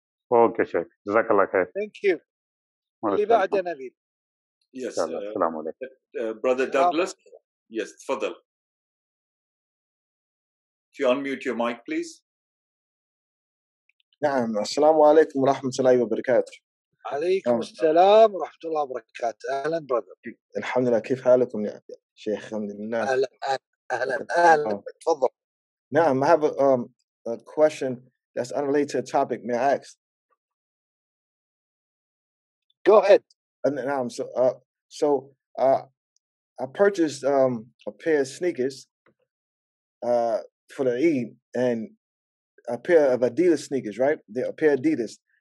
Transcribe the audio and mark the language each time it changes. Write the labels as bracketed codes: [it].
[en] Okay, Sheikh. Jazakallah khair. Thank you. Nabil. Yes. Assalamu alaikum. Brother Douglas. Yes, tafadhal. If you unmute your mic, please. Naam. Assalamu alaikum wa rahmatullahi wa barakatuh. [ar] عليكم السلام ورحمة الله وبركاته. أهلا برادر. الحمد لله. كيف حالكم يا شيخ؟ الحمد لله. أهلا. تفضل. نعم. [en] I have a question that's unrelated topic. May I ask? Go ahead. [ar] نعم. So [en] I purchased a pair of sneakers for the Eid, and a pair of Adidas sneakers, right? A pair of Adidas.